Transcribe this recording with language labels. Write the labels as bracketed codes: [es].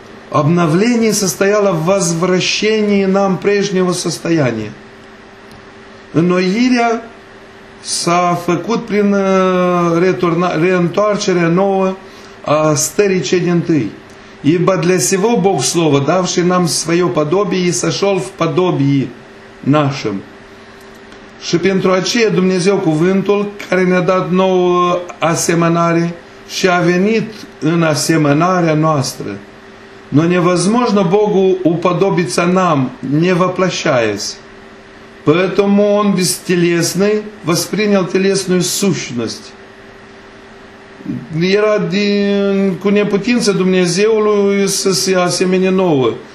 [ru] Обновление состояло в возвращении нам прежнего состояния. [ro] Înnoirea s-a făcut prin reîntoarcerea nouă a stării cei din tâi. [ru] Ибо для сего Бог Слово, давший нам свое подобие, сошел в подобие нашим. [ro] Și pentru aceea Dumnezeu cuvântul, care ne-a dat nouă asemănare și a venit în asemănarea noastră. [ru] Но невозможно Богу уподобиться нам, не воплощаясь. Поэтому Он бестелесный воспринял телесную сущность. [ro] Era cu neputință Dumnezeului să se asemene nouă.